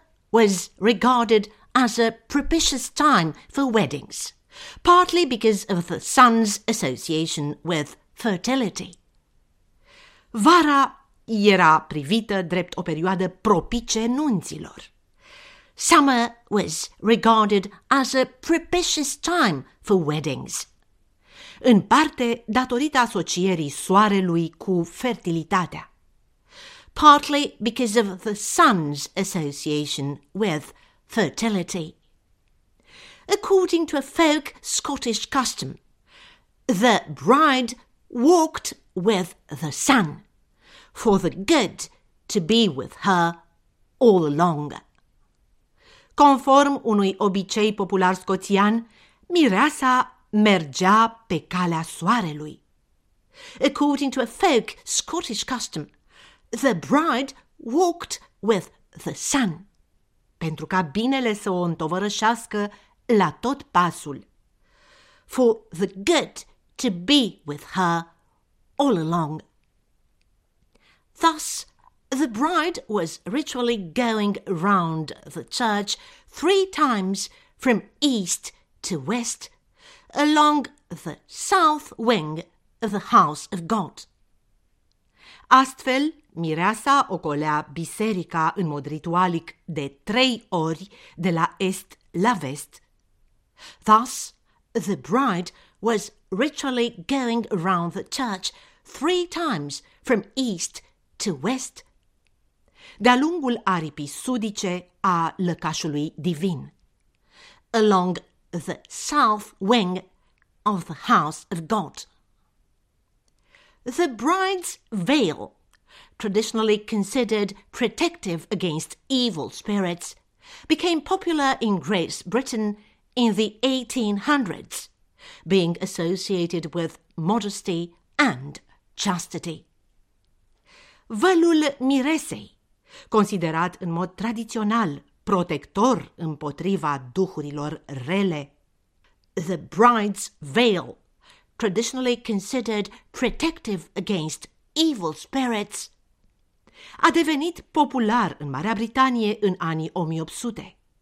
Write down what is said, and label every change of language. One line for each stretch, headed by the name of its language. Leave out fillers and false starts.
English: was regarded as a propitious time for weddings, partly because of the sun's association with fertility.
Romanian: Vara era privită drept o perioadă propice nunților.
English: Summer was regarded as a propitious time for weddings,
Romanian: în parte datorită asocierii soarelui cu fertilitatea.
English: Partly because of the sun's association with fertility. According to a folk Scottish custom, the bride walked with the sun for the good to be with her all along.
Romanian: Conform unui obicei popular scoțian, mireasa mergea pe calea soarelui.
English: According to a folk Scottish custom, the bride walked with the sun,
Romanian: pentru ca binele să o întovărășească la tot pasul.
English: For the good to be with her all along. Thus, the bride was ritually going round the church three times from east to west, along the south wing of the house of God.
Romanian: Astfel, mireasa ocolea biserica în mod ritualic de trei ori de la est la vest.
English: Thus, the bride was ritually going round the church three times from east to west,
Romanian: de-a lungul aripii sudice a lăcașului divin,
English: along the south wing of the house of God. The bride's veil, traditionally considered protective against evil spirits, became popular in Great Britain in the 1800s, being associated with modesty and chastity.
Romanian: Vălul miresei, considerat în mod tradițional protector împotriva duhurilor rele.
English: The bride's veil, traditionally considered protective against evil spirits,
Romanian: a devenit popular în Marea Britanie în anii 1800.